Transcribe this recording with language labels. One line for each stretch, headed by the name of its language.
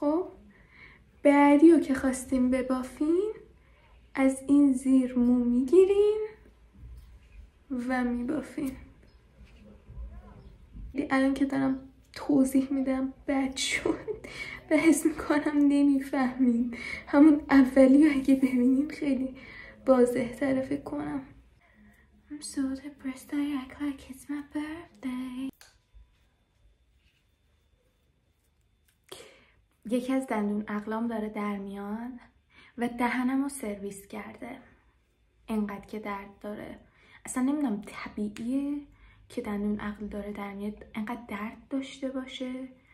Persian: خب بعدی رو که خواستیم ببافین از این زیر مو میگیرین و میبافین. الان که دارم توضیح میدم بد شد، بحث میکنم نمیفهمین. همون اولی اگه ببینین خیلی واضح تر فکر کنم.
English: I'm so depressed, I act like it's my birthday.
Persian: یکی از دندون عقلام داره در میان و دهنم رو سرویس کرده، اینقدر که درد داره. اصلا نمیدونم طبیعیه که دندون عقل داره در میاد اینقدر درد داشته باشه.